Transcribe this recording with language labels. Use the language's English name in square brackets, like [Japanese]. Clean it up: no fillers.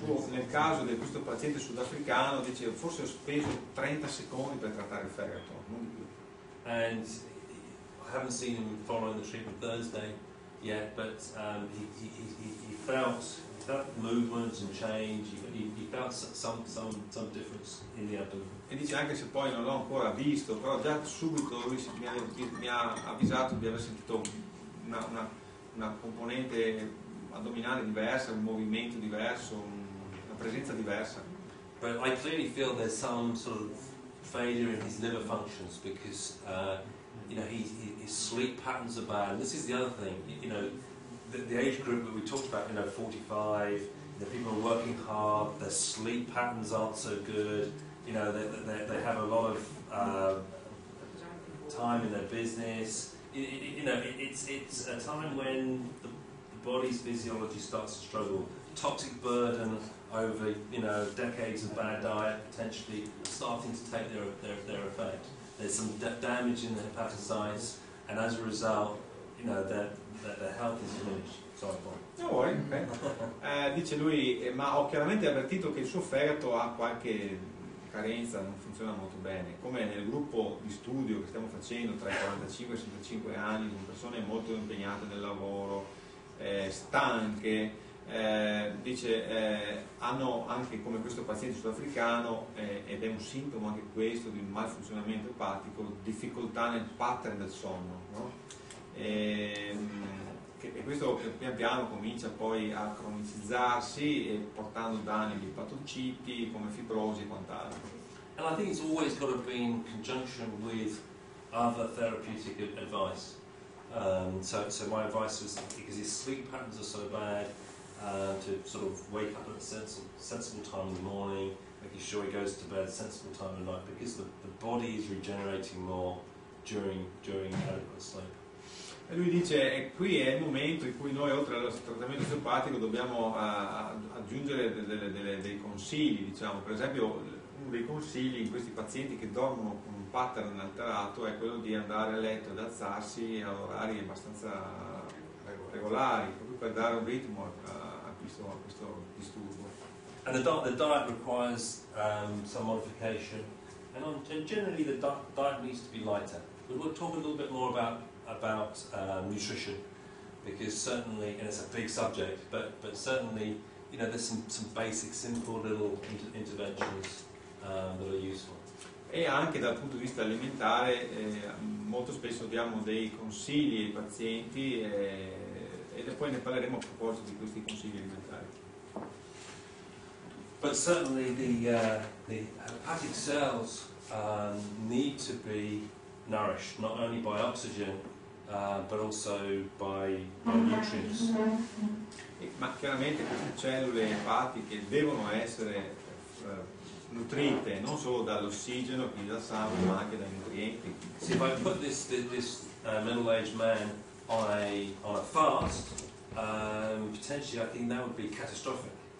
[Italian] Nel caso di questo paziente sudafricano, dice, forse ho speso 30 secondi per trattare il fegato, non di più. [English] And I haven't seen him following the treatment Thursday yet, but he felt movements and change, he felt some difference in the abdomen. [Italian] E dice, anche se poi non l'ho ancora visto, però già subito lui mi ha avvisato di aver sentito una componente addominale diversa, un movimento diverso, una presenza diversa. [English] But I clearly feel there's some sort of failure in his liver functions because you know, his sleep patterns are bad. And this is the other thing, you know, the age group that we talked about, you know, 45, the people are working hard, their sleep patterns aren't so good, you know, they have a lot of time in their business. It's a time when the body's physiology starts to struggle. Toxic burden over, you know, decades of bad diet potentially starting to take their effect. There's some damage in the hepatocytes, and as a result, you know, their health is diminished. Sorry, Paul. No worry. [Italian] Dice lui, ma ho chiaramente avvertito che il suo fegato ha qualche carenza, non funziona molto bene. Come nel gruppo di studio che stiamo facendo tra i 45 e 65 anni, con persone molto impegnate nel lavoro, stanche, dice, hanno anche, come questo paziente sudafricano, ed è un sintomo anche questo di un mal funzionamento epatico, difficoltà nel pattern del sonno, no? E questo pian piano comincia poi a cronicizzarsi, portando danni di patociti come fibrosi e quant'altro. [English] And I think it's always got to be in conjunction with other therapeutic advice. So my advice was, because his sleep patterns are so bad, to sort of wake up at a sensible time in the morning, making sure he goes to bed at a sensible time at night, because the body is regenerating more during adequate sleep. [Italian] E lui dice, e qui è il momento in cui noi, oltre al trattamento osteopatico, dobbiamo aggiungere dei consigli, diciamo. Per esempio, uno dei consigli in questi pazienti che dormono con un pattern alterato è quello di andare a letto ed alzarsi a orari abbastanza regolari, proprio per dare un ritmo a questo disturbo. [English] And the diet requires some modification, and generally the diet needs to be lighter. But we'll talk a little bit more about nutrition, because certainly, and it's a big subject, but certainly, you know, there's some basic, simple little interventions that are useful. [Italian] E anche dal punto di vista alimentare, molto spesso diamo dei consigli ai pazienti, e poi ne parleremo a proposito di questi consigli alimentari. [English] But certainly the hepatic cells need to be nourished, not only by oxygen, but also by nutrients. [Italian] Ma chiaramente queste cellule epatiche devono essere nutrite non solo dall'ossigeno, quindi dal sangue, ma anche dai nutrienti. [English] So if I put this middle-aged man on a fast, potentially I think that would be catastrophic.